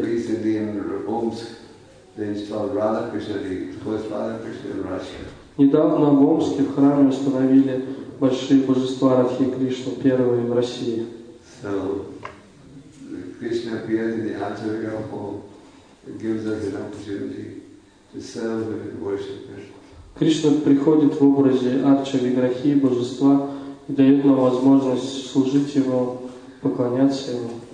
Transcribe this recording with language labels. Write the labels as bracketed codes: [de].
[en] Recently in Omsk, they installed Radha Krishna, the first Radha Krishna in Russia. [ru] Недавно в Омске в храме установили большие божества Радхи Кришну, первые в России. [en] So, Krishna appears in the Acharya form. It gives us an opportunity to serve and worship Krishna. [ru] Кришна приходит в образе Арча Виграхи, божества, и дает нам возможность служить Ему, поклоняться Ему.